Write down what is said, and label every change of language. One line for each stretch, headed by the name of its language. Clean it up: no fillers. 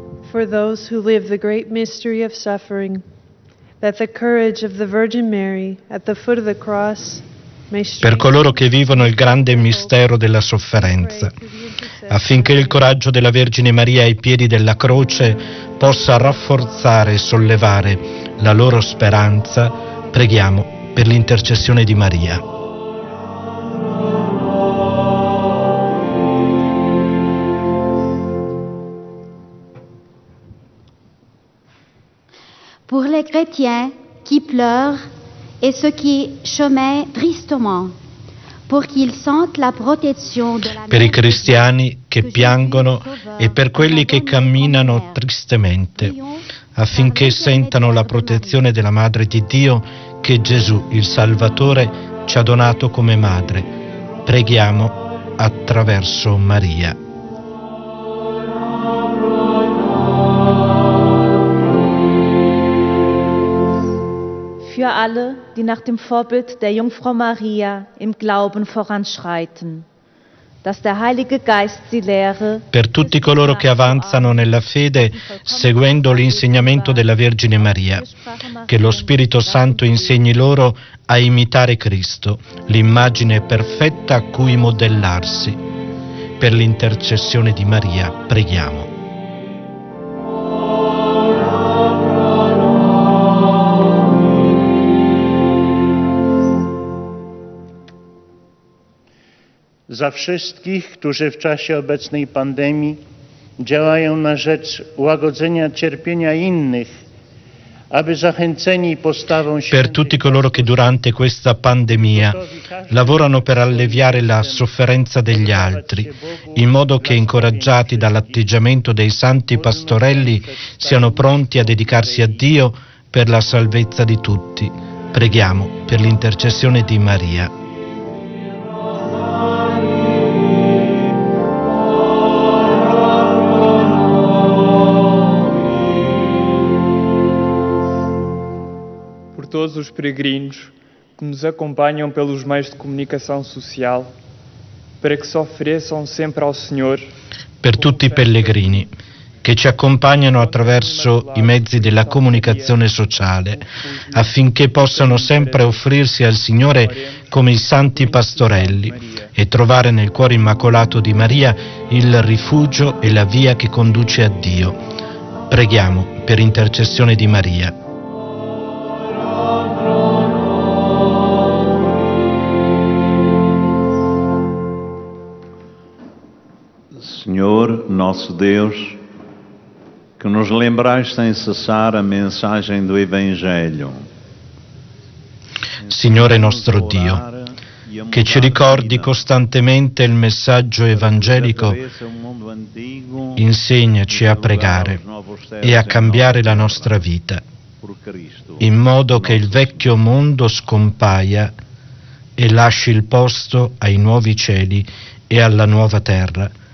English: For those who live the great mystery of suffering, that the courage of the Virgin Mary at the foot of the cross may strengthen.
Italian: Per coloro che vivono il grande mistero della sofferenza, affinché il coraggio della Vergine Maria ai piedi della croce possa rafforzare e sollevare la loro speranza, preghiamo per l'intercessione di Maria.
French: Pour les chrétiens qui pleurent et ceux qui chemaient tristement, pour qu'ils sentent la protection de la
Italian: Per i cristiani che piangono e per quelli che camminano tristemente, affinché sentano la protezione della Madre di Dio che Gesù, il Salvatore, ci ha donato come madre. Preghiamo attraverso Maria.
German: Für alle, die nach dem Vorbild der Jungfrau Maria im Glauben voranschreiten, dass der Heilige Geist sie lehre.
Italian: Per tutti coloro che avanzano nella fede seguendo l'insegnamento della Vergine Maria, che lo Spirito Santo insegni loro a imitare Cristo, l'immagine perfetta a cui modellarsi. Per l'intercessione di Maria preghiamo.
Polish: Za wszystkich, którzy w czasie obecnej pandemii działają na rzecz łagodzenia cierpienia innych, aby zachęceni postawą świętej.
Italian: Per tutti coloro che durante questa pandemia lavorano per alleviare la sofferenza degli altri, in modo che incoraggiati dall'atteggiamento dei santi pastorelli siano pronti a dedicarsi a Dio per la salvezza di tutti. Preghiamo per l'intercessione di Maria.
Portuguese: Todos os peregrinos que nos acompanham pelos meios de comunicação social,
Italian: perché si offrissero sempre al Signore. Per tutti i pellegrini che ci accompagnano attraverso i mezzi della comunicazione sociale, affinché possano sempre offrirsi al Signore come i santi pastorelli e trovare nel cuore immacolato di Maria il rifugio e la via che conduce a Dio. Preghiamo per intercessione di Maria.
Portuguese: Senhor, nosso Deus, que nos lembrais sem cessar a mensagem do Evangelho.
Italian: Signore nostro Dio, che ci ricordi costantemente il messaggio evangelico, insegnaci a pregare e a cambiare la nostra vita, in modo che il vecchio mondo scompaia e lasci il posto ai nuovi cieli e alla nuova terra.